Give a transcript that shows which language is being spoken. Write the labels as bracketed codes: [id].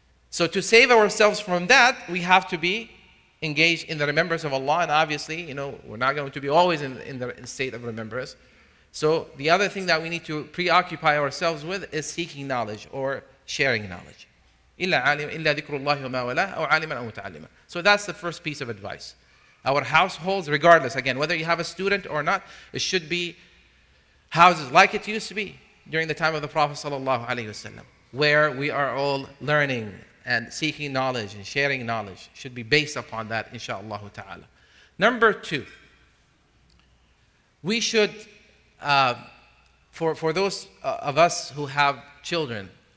[en] So to save ourselves from that, we have to be engaged in the remembrance of Allah. And obviously, you know, we're not going to be always in the state of remembrance. So the other thing that we need to preoccupy ourselves with is seeking knowledge or sharing knowledge. [ar] إلا ذكر الله وما وله أو عالما أو متعلما. [en] So that's the first piece of advice. Our households, regardless, again, whether you have a student or not, it should be houses like it used to be during the time of the Prophet sallallahu alaihi wasallam, where we are all learning and seeking knowledge and sharing knowledge. It should be based upon that, inshallah ta'ala. Number two, we should... For those of us who have children,